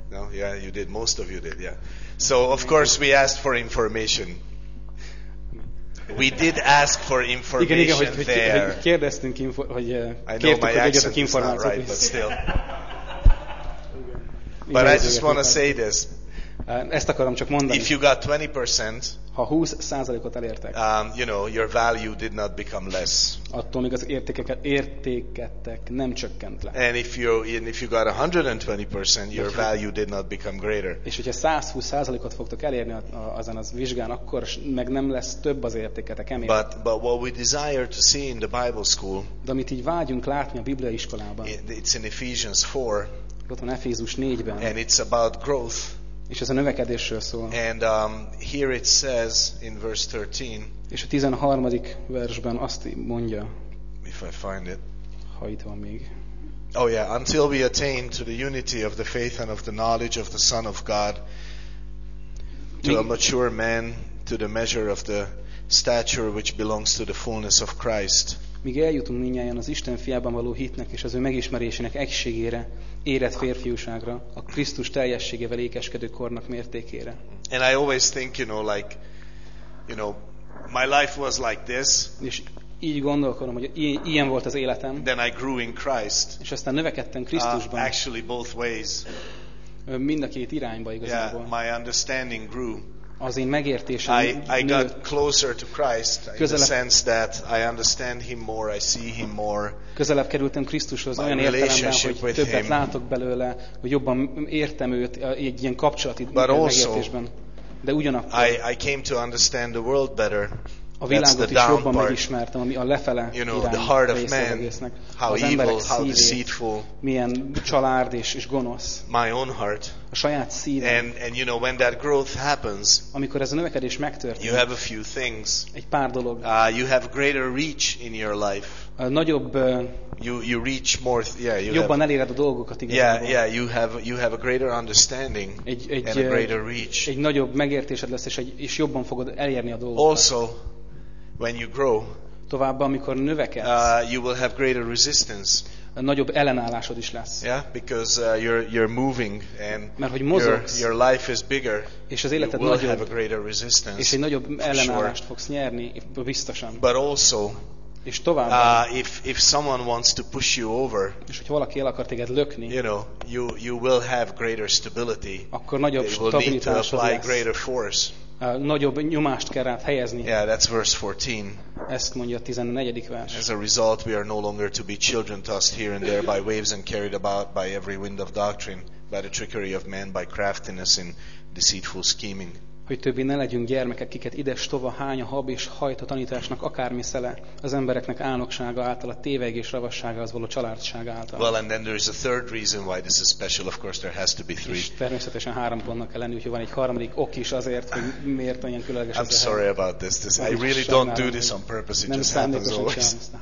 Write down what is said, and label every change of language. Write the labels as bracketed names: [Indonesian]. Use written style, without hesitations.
[English] No, yeah, you did. Most of you did, yeah. So, of course, we asked for information. We did ask for information there. [Hungarian] Igen, igen, hogy kérdeztünk, hogy kértük, hogy [English] egyetek right, but still. But I just want to say this. [Hungarian] Ezt akarom csak mondani. [English] If you got 20%, [Hungarian] ha 20%-ot elértek, [English] you know, your value did not become less. [Hungarian] Attól még az értékettek nem csökkent le. [English] And if you got 120%, your value did not become greater. [Hungarian] És hogyha 120%-ot fogtok elérni azon az vizsgán, akkor meg nem lesz több az értéketek emiatt. [English] But what we desire to see in the Bible school, [Hungarian] de amit így vágyunk látni a Biblia iskolában, [English] it's in Ephesians 4, [Hungarian] ott van Efézus 4-ben, [English] and it's about growth. [Hungarian] És ez a növekedésről szól. [English] And here it says in verse 13. [Hungarian] És a 13. versben azt mondja. [English] If I find it. [Hungarian] Ha itt van még. [English] Oh yeah, until we attain to the unity of the faith and of the knowledge of the Son of God, to a mature man, to the measure of the stature which belongs to the fullness of Christ. [Hungarian] Míg eljutunk mindnyájan az Isten fiában való hitnek és az ő megismerésének egységére, érett férfiúságra, a Krisztus teljességével ékeskedő kornak mértékére. [English] And I always think, you know, my life was like this. [Hungarian] És így gondolkodom, hogy ilyen volt az életem. [English] Then I grew in Christ. [Hungarian] És aztán növekedtem Krisztusban. [English] Actually both ways. [Hungarian] Mind a két irányba igazából. [English] Yeah, my understanding grew. [Hungarian] Az én megértésem [English] nőtt. I got closer to Christ in the sense that I understand him more, I see him more. [Hungarian] Közelebb kerültem Krisztushoz olyan értelemben, hogy többet látok belőle, hogy jobban értem őt egy ilyen kapcsolati megértésben. De ugyanakkor [English] I came to understand the world better. [Hungarian] A világot is jobban megismertem, ami a lefele irány része az egésznek. Az emberek szívét, milyen csalárd és gonosz. [English] My own heart. [Hungarian] A saját szívem. [English] And you know, when that growth happens, [Hungarian] amikor ez a növekedés megtörténik, [English] you have a few things. [Hungarian] Egy pár dolog. [English] You have greater reach in your life. [Hungarian] Nagyobb. [English] You reach more. Yeah, you [Hungarian] jobban eléred a dolgokat igazából. [English] Yeah, you have a greater understanding and a greater reach. [Hungarian] Egy nagyobb megértésed lesz és jobban fogod elérni a dolgokat. [English] Also, when you grow, [Hungarian] továbbá amikor növekedsz, [English] you will have greater resistance. [Hungarian] Nagyobb ellenállásod is lesz. [English] Yeah, because you're moving and [Hungarian] mert hogy mozogsz, [English] your life is bigger. [Hungarian] És az életed nagyobb. És egy nagyobb ellenállást [English] sure. [Hungarian] fogsz nyerni, biztosan. [English] But also, [Hungarian] és tovább. [English] If someone wants to push you over, [Hungarian] és hogyha valaki el akar téged lökni, [English] you know, you will have greater stability. [Hungarian] Akkor nagyobb stabilitásod lesz. [English] Will need to apply greater force. [Hungarian] Nagyobb nyomást kell rád helyezni. [English] Yeah, that's verse 14. [Hungarian] Ezt mondja a 14. vers. [English] As a result, we are no longer to be children tossed here and there by waves and carried about by every wind of doctrine, by the trickery of man, by craftiness in deceitful scheming. [Hungarian] Hogy többé ne legyünk gyermekek, kiket ide-stova hány a hab és hajt a tanításnak akármi szele, az embereknek álnoksága által, a tévegés ravassága az való csalárdsága által. [English] Well, and then there is a third reason why this is special. Of course, there has to be three. [Hungarian] És természetesen három pontnak kell lenni, úgyhogy van egy harmadik ok is azért, hogy miért olyan különleges [English] I'm sorry about this. This I really don't do this on purpose. It just happens always.